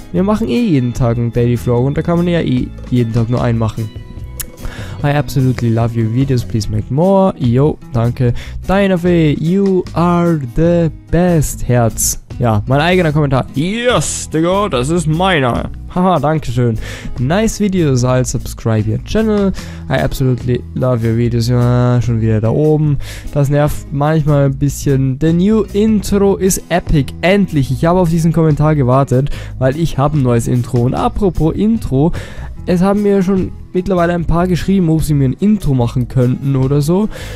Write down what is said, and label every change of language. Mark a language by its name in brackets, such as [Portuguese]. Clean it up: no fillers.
[German] Wir machen eh jeden Tag einen Daily-Vlog. Und da kann man ja eh jeden Tag nur einen machen. [English] I absolutely love your videos. Please make more. Yo, [German] danke. [English] Dynafee, you are the best, Herz. [German] Ja, mein eigener Kommentar. Yes, Digga, das ist meiner. Haha, danke schön. [English] Nice videos, I'll subscribe your channel. I absolutely love your videos. [German] Ja, schon wieder da oben. Das nervt manchmal ein bisschen. [English] The new intro is epic. [German] Endlich, ich habe auf diesen Kommentar gewartet, weil ich habe ein neues Intro. Und apropos Intro, es haben mir schon mittlerweile ein paar geschrieben, ob sie mir ein Intro machen könnten oder so.